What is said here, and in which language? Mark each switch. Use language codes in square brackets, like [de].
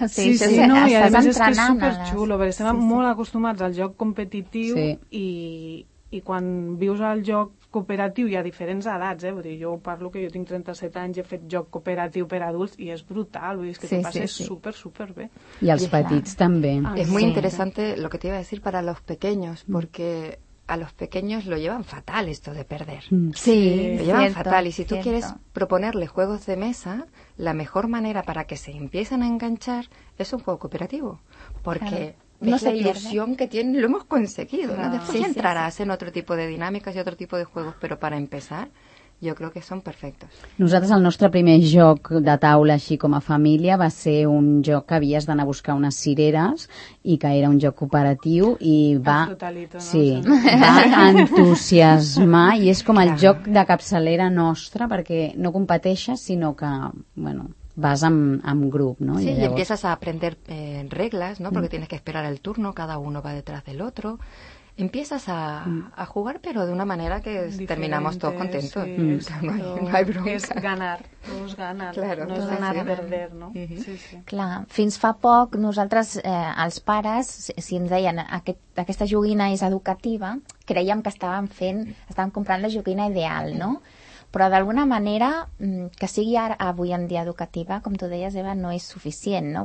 [ca] Sí, no, i a més és que és superxulo, perquè estem molt acostumats al joc competitiu i quan vius al joc cooperatiu hi ha diferents edats, eh? Vull dir, jo parlo que jo tinc 37 anys i he fet joc cooperatiu per adults i és brutal, vull dir, és que t'ho passes super, super bé. I els petits també. És molt interessant [es] lo que te iba a decir para los pequeños, porque a los pequeños lo llevan fatal esto de perder. Sí, lo llevan fatal. Y si tú quieres proponerle juegos de mesa, la mejor manera para que se empiecen a enganchar es un juego cooperativo, porque... No es la ilusión que tienen, lo hemos conseguido, ¿no? Después entrarás en otro tipo de dinámicas y otro tipo de juegos, pero para empezar yo creo que son perfectos. [ca] Nosaltres el nostre primer joc de taula així com a família va ser un joc que havies d'anar a buscar unes cireres i que era un joc cooperatiu i va, va entusiasmar i és com el joc de capçalera nostra perquè no competeixes sinó que, bueno... vas amb grup, no? [es] Sí, y empiezas a aprender reglas, ¿no? Porque tienes que esperar el turno, cada uno va detrás del otro. Empiezas a jugar, pero de una manera que diferente, terminamos todos contentos. Sí, no hay bronca. Es ganar, todos ganan, claro, no es ganar y perder, ¿no? Uh-huh. Sí. [ca] Clar, fins fa poc, nosaltres, els pares, si ens deien aquesta joguina és educativa, creiem que estàvem comprant la joguina ideal, no? Però d'alguna manera, que sigui ara, avui en dia educativa, com tu deies, Eva, no és suficient, no?